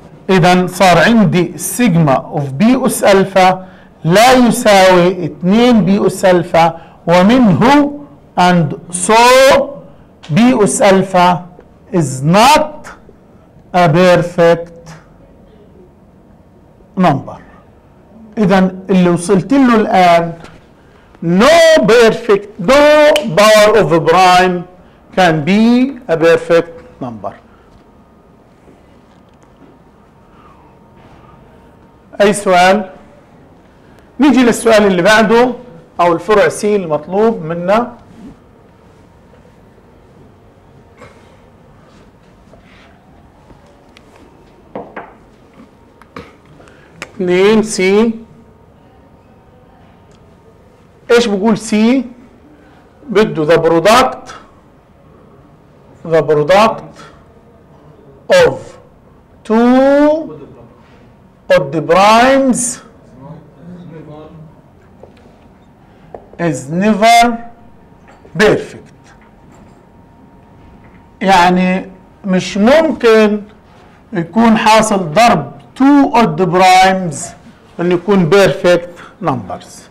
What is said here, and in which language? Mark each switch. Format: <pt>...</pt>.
<ar>اذا صار عندي</ar> <en>sigma of B as alpha</en> <ar>لا يساوي 2 بي اس الفا، ومنه</ar> <en>and so</en> <ar>بي اس الفا</ar> <en>is not a perfect number.</en> <ar>اذا اللي وصلت له الان</ar> <en>no perfect no power of a prime can be a perfect number.</en> <ar>اي سؤال؟ نيجي للسؤال اللي بعده او الفرع سي المطلوب منا. اثنين سي، ايش بقول سي؟ بده</ar> <en>the product of two odd primes is never perfect.</en> <ar>يعني مش ممكن يكون حاصل ضرب</ar> <en>two odd primes</en> <ar>ان يكون</ar> <en>perfect numbers.</en>